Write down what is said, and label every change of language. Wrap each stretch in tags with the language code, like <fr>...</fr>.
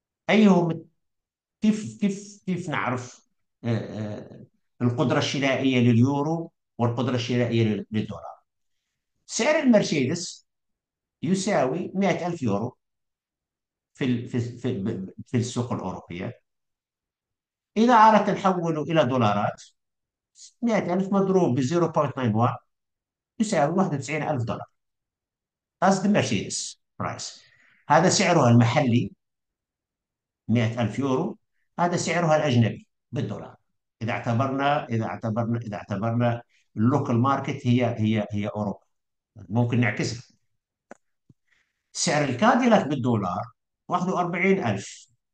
<ar>أيهم كيف كيف كيف نعرف القدرة الشرائية لليورو والقدرة الشرائية للدولار؟ سعر المرسيدس يساوي 100,000 يورو في السوق الأوروبية. إذا أردت تحوله إلى دولارات، 100,000 مضروب ب 0.91 يساوي 91,000 دولار.</ar> <en>That's the Mercedes price.</en> <ar>هذا سعرها المحلي 100,000 يورو، هذا سعرها الأجنبي بالدولار. إذا اعتبرنا اللوكال ماركت هي أوروبا، ممكن نعكسها. سعر الكاديلاك بالدولار 41,000.</ar>